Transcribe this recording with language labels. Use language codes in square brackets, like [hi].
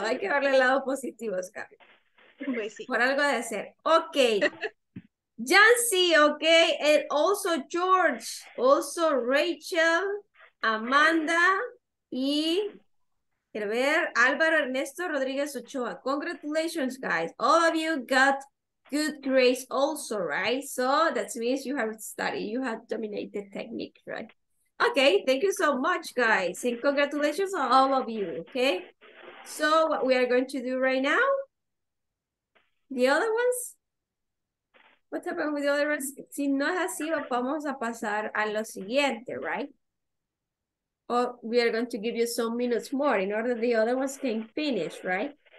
[es] Hay que darle el lado positivo, Oscar. Pues sí. Por algo de hacer. Ok. Yancy, ok. [en] And also George. Also Rachel. [es] Amanda y quiero ver Álvaro Ernesto Rodríguez Ochoa. [en] Congratulations, guys. All of you got good grades also, right? So that means you have studied. You have dominated technique, right? Okay, thank you so much, guys. And congratulations on all of you, okay? So what we are going to do right now, the other ones, what happened with the other ones? [es] Si no es así, vamos a pasar a lo siguiente, right? [en] Or we are going to give you some minutes more in order the other ones can finish, right?